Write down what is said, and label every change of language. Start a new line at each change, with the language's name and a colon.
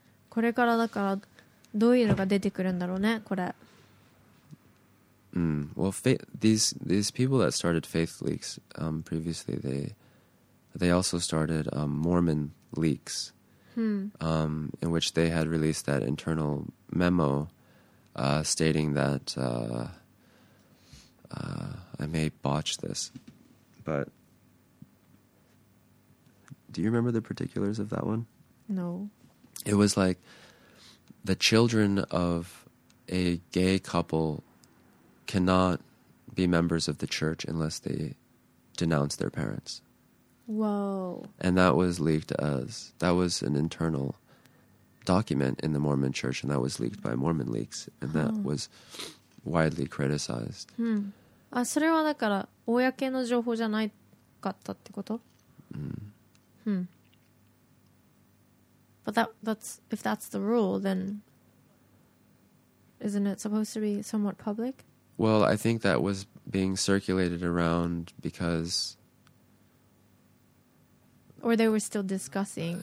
Japanese: これからだからどういうのが出てくるんだろうね、これ。
English: Well, these people that started Faith Leaks previously, they also started Mormon Leaks, in which they had released that internal memo stating that... I may botch this, but do you remember the particulars of that one? No. It was like the children of a gay couple cannot be members of the church unless they denounce their parents. Whoa. And that was leaked as, that was an internal document in the Mormon church, and that was leaked by Mormon leaks, and that was widely criticized. Hmm.
Japanese: Ah, それはだから公の情報じゃないかったってこと? Hmm. Hmm.
English: But that's, if that's the rule, then isn't it supposed to be somewhat public? Well, I think that was being circulated around because... Or they were still discussing.